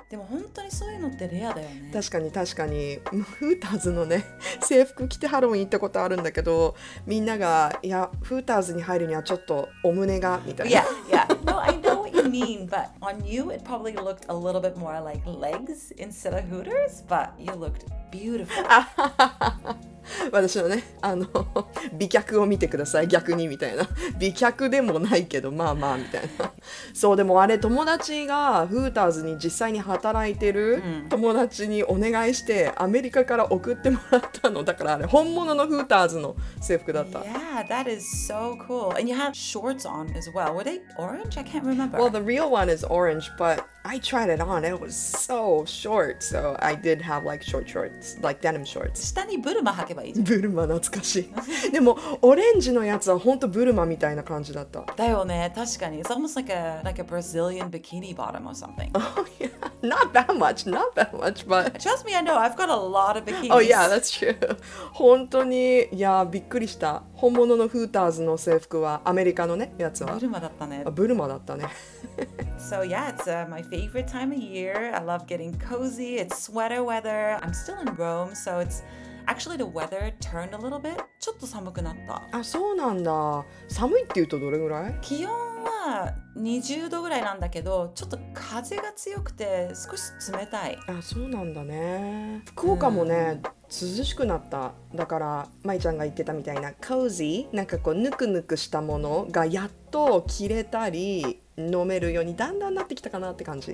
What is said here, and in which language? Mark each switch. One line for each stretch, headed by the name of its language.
Japanese: でも本当にそういうのってレアだよね。確かに確かに。フーターズのね、制服着てハロウィン行ったことあるんだけど、みんなが、いや、フーターズに入るにはちょっとお胸が、みたいな。
English: Yeah, yeah. No, I know what you mean, but on you, it probably looked a little bit more like legs instead of Hooters, but you looked beautiful.
Japanese: 私のね、美脚を見てください、逆にみたいな。美脚でもないけど、まあまあみたいな。そう、でもあれ、友達がフーターズに実際に働いてる友達にお願いして、うん、アメリカから送ってもらったの。だからあれ本物のフーターズの制服だった。
English: Yeah, that is so cool. And you had shorts on as well. Were they orange? I can't remember. Well, the real one is orange, butI tried it on. It was so short. So I did have like short shorts, like denim shorts.
Japanese: 下にブルマ履けばいいじゃん。ブルマ懐かしい。でもオレンジのやつは本当ブルマみたいな感じだった。だよね、確かに。
English: It's almost like a Brazilian bikini bottom or something. Oh yeah, not that much, not that much, but... Trust me, I know, I've got a lot of bikinis. Oh yeah, that's true.
Japanese: 本当に、いや、びっくりした。本物のフーターズの制服は、アメリカのね、やつは。ブルマだったね。ブルマだったね。
English: So yeah, it's my favorite time of year. I love getting cozy. It's sweater weather. I'm still in Rome, so it's actually the weather turned a little bit.
Japanese: ちょっと寒くなった。あ、そうなんだ。寒いって言うとどれぐらい？気温は20度ぐらいなんだけど、ちょっと風が強くて少し冷たい。あ、そうなんだね。福岡もね、涼しくなった。だから、舞ちゃんが言ってたみたいな、cozy、なんかこう、ぬくぬくしたものがやっと着れたり、飲めるようにだんだんなってきたかなって感じ。